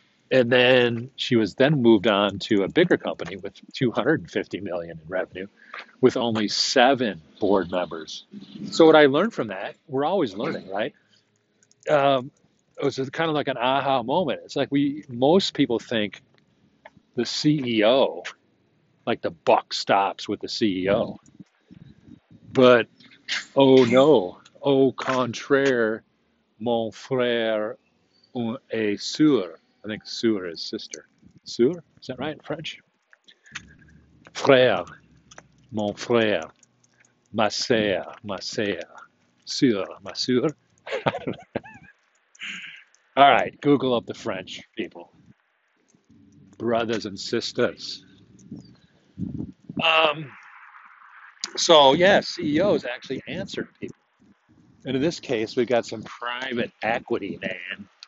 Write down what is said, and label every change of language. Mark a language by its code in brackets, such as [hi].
[en] And then she was then moved on to a bigger company with 250 million in revenue with only 7 board members. So what I learned from that, we're always learning, right? It was kind of like an aha moment. It's like we most people think the CEO, like the buck stops with the CEO. But oh no, [fr] au contraire, mon frère et sœur. [en] I think sœur is sister. Sœur, is that right in French? [fr] Frère, mon frère, ma sœur, ma sœur, sœur, ma sœur. [en] All right, Google up the French people. Brothers and sisters. So yeah, CEOs actually answer to people. And in this case, we've got some private equity man.